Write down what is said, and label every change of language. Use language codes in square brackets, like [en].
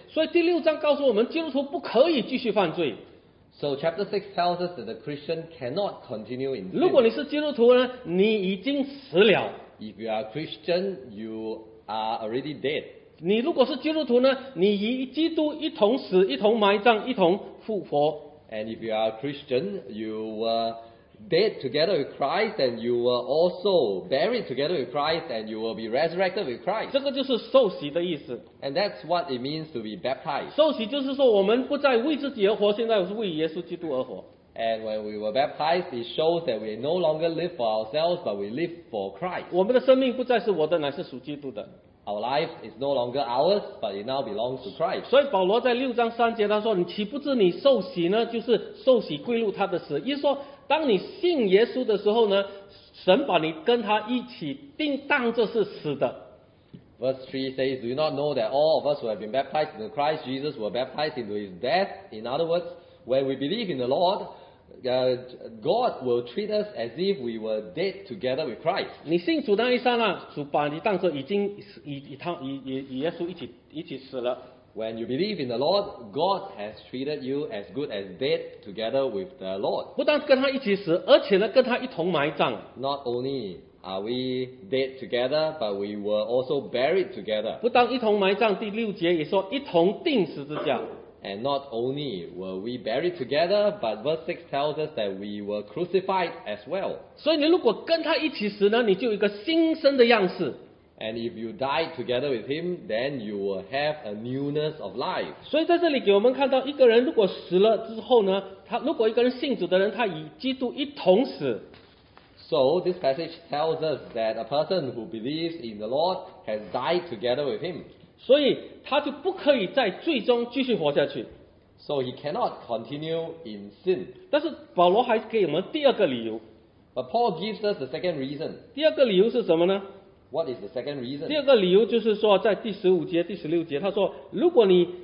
[zh] 所以第六章告诉我们基督徒不可以继续犯罪。 [en] So chapter 6 tells us that the Christian cannot continue in sin. [zh] 如果你是基督徒呢，你已经死了。 [en] If you are a Christian, you are already dead. [zh] 你如果是基督徒呢，你与基督一同死，一同埋葬，一同复活。 [en] And if you are a Christian, you were dead together with Christ, and you were also buried together with Christ, and you will be resurrected with Christ. [zh] 这个就是受洗的意思。 [en] And that's what it means to be baptized. [zh] 受洗就是说我们不再为自己而活，现在是为耶稣基督而活。 [en] And when we were baptized, it shows that we no longer live for ourselves, but we live for Christ. [zh] 我们的生命不再是我的，乃是属基督的。 [en] Our life is no longer ours, but it now belongs to Christ. [zh] 所以保罗在六章三节他说，你岂不知你受洗呢？就是受洗归入他的死，意思说当你信耶稣的时候呢，神把你跟他一起定当这是死的。 [en] Verse 3 says, Do you not know that all of us who have been baptized into Christ Jesus were baptized into his death? In other words, when we believe in the Lord, God will treat us as if we were dead together with Christ. [zh] 你信主那一刹那，主把你当作已经 与耶稣一起死了。 [en] When you believe in the Lord, God has treated you as good as dead together with the Lord. [zh] 不但跟他一起死，而且呢跟他一同埋葬。 [en] Not only are we dead together, but we were also buried together. [zh] 不但一同埋葬，第六节也说一同钉十字架。 [en] And not only were we buried together, but verse 6 tells us that we were crucified as well. [zh] 所以你如果跟他一起死呢，你就有一个新生的样式。 [en] And if you die together with him, then you will have a newness of life. [zh] 所以在这里给我们看到，一个人如果死了之后呢，他如果一个人信主的人，他与基督一同死。 [en] So this passage tells us that a person who believes in the Lord has died together with him. [zh] 所以他就不可以在罪中继续活下去。 [en] So he cannot continue in sin. [zh] 但是保罗还给我们第二个理由。 [en] But Paul gives us the second reason. [zh] 第二个理由是什么呢？ [en] What is the second reason? [zh] 第二个理由就是说，在第十五节、第十六节，他说，如果你